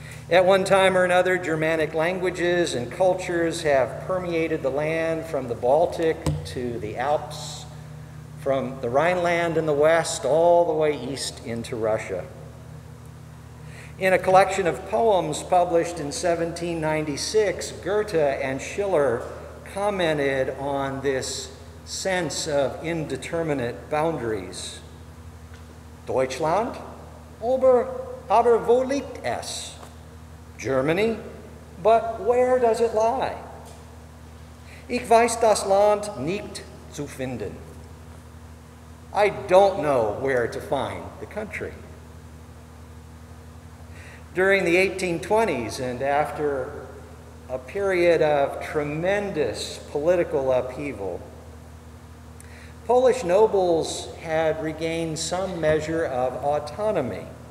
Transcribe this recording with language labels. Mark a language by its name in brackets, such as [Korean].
[English] At one time or another, Germanic languages and cultures have permeated the land from the Baltic to the Alps, from the Rhineland in the west all the way east into Russia. In a collection of poems published in 1796, Goethe and Schiller commented on this sense of indeterminate boundaries. [German] Deutschland, aber wo liegt es? [English] Germany, but where does it lie? [German] Ich weiß das Land nicht zu finden. [English] I don't know where to find the country. During the 1820s and after a period of tremendous political upheaval, Polish nobles had regained some measure of autonomy.